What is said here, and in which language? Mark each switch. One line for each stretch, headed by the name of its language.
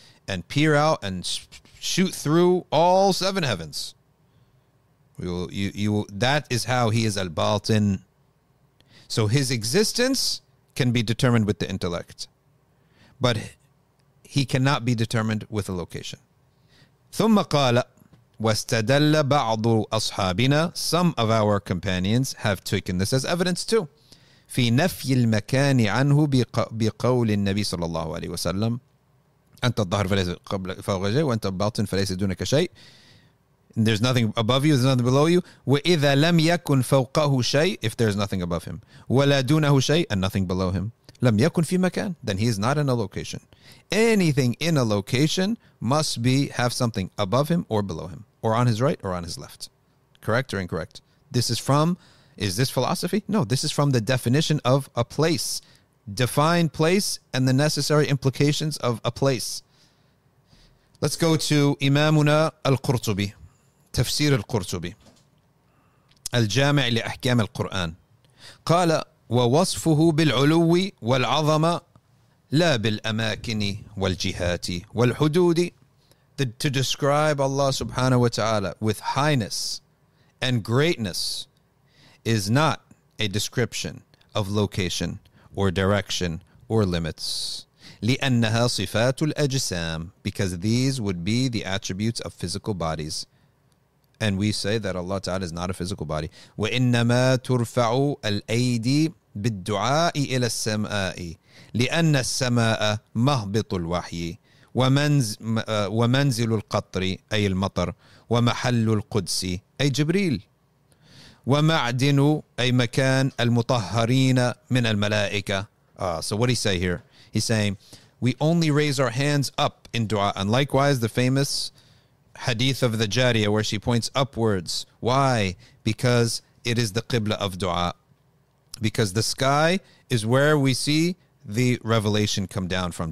English: and peer out and shoot through all seven heavens. That is how he is al-batin. So his existence can be determined with the intellect, but he cannot be determined with a location.
Arabic: ثم قال واستدل بعض أصحابنا.
English: Some of our companions have taken this as evidence too.
Arabic: في نفي المكان عنه بقول النبي صلى الله عليه وسلم أنت الظهر فليس قبل فوقه وأنت الباطن فليس دونك شيء.
English: And there's nothing above you, there's nothing below you.
Arabic: وَإِذَا لَمْ يَكُنْ فَوْقَهُ شَيْءٍ
English: if there's nothing above him.
Arabic: وَلَا دُونَهُ شَيْءٍ
English: and nothing below him.
Arabic: لَمْ يَكُنْ فِي مَكَانٍ
English: then he is not in a location. Anything in a location must be have something above him or below him, or on his right or on his left. Correct or incorrect? This is from, is this philosophy? No, this is from the definition of a place. Define place and the necessary implications of a place. Let's go to Imamuna al-Qurtubi.
Arabic: تفسير القرطبي الجامع لأحكام القرآن قال ووصفه بالعلو والعظمة لا بالأماكن والجهات والحدود.
English: To describe Allah subhanahu wa ta'ala with highness and greatness is not a description of location or direction or limits.
Arabic: لأنها صفات الأجسام
English: because these would be the attributes of physical bodies. And we say that Allah Ta'ala is not a physical body.
Arabic: وَإِنَّمَا تُرْفَعُ الْأَيْدِي بِالدُّعَاءِ إِلَى السَّمَاءِ لِأَنَّ السَّمَاءَ مَهْبِطُ الْوَحْيِ وَمَنْزِلُ الْقَطْرِ أي المطر وَمَحَلُّ الْقُدْسِ أي جبريل وَمَعْدِنُ أي مكان الْمُطَهَّرِينَ من الملائكة.
English: So what he say here? He's saying, we only raise our hands up in dua. And likewise, the famous Hadith of the Jariyah, where she points upwards. Why? Because it is the Qibla of dua. Because the sky is where we see the revelation come down from.